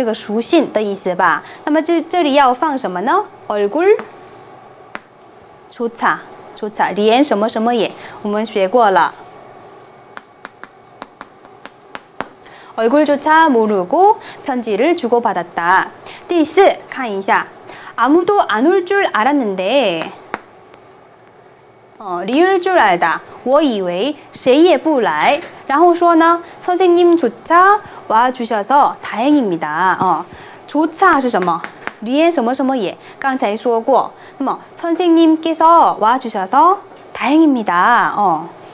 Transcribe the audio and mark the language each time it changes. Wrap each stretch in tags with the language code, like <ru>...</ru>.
<zh>互相不知道，互相的脸，然后说交往书信了。那么这个连不知道，连也不知道的情况下，来往这个书信的意思吧。那么这里要放什么呢?</zh> <ko>얼굴 조차 조차</ko> <zh>连什么什么也，我们学过了。</zh> <ko>얼굴조차 모르고 편지를 주고받았다.</ko> <zh>第四, 看一下.</zh> <ko>아무도 안 올 줄 알았는데, 리을 줄 알다.</ko> <zh>我以为谁也不来。然后说呢,</zh> <ko>선생님조차 와주셔서 다행입니다.</ko> <zh>조차是什么? 리엔什么什么也刚才说过，那么</zh> <ko>선생님께서 와주셔서 다행입니다.</ko>